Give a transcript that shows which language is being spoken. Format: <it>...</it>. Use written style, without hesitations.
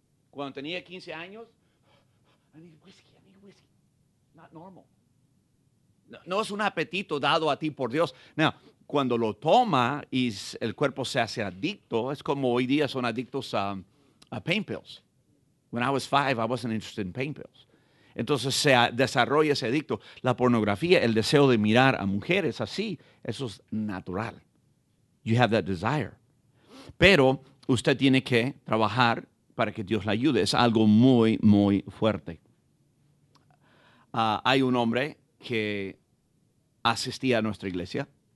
<es>Cuando tenía 15 años,</es> <en>I need whiskey. Not normal.</en> <es>No es un apetito dado a ti por Dios. Now, cuando lo toma y el cuerpo se hace adicto, es como hoy día son adictos a pain pills.</es> <en>When I was 5, I wasn't interested in pain pills.</en> <es>Entonces se desarrolla ese adicto. La pornografía, el deseo de mirar a mujeres así, eso es natural.</es> <en>You have that desire.</en> <es>Pero usted tiene que trabajar para que Dios le ayude. Es algo muy, muy fuerte. Hay un hombre que asistía a nuestra iglesia.</es>